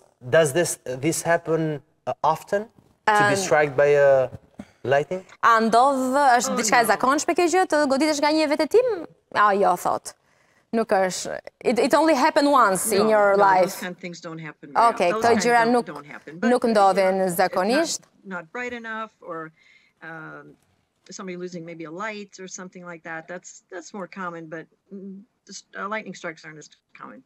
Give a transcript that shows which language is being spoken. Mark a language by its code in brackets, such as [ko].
[en] Does this happen often to be struck by a lightning? [sq] A ndodh, është diçka e zakonshme kjo gjë, të goditesh nga një vetëtim? Jo, thot. Nuk është. [en] It only happened once in your life. Those kind of things don't happen. [sq] Okay, këto gjëra nuk ndodhin zakonisht. [en] Not bright enough or somebody losing maybe a light or something like that. That's more common, but lightning strikes aren't as common.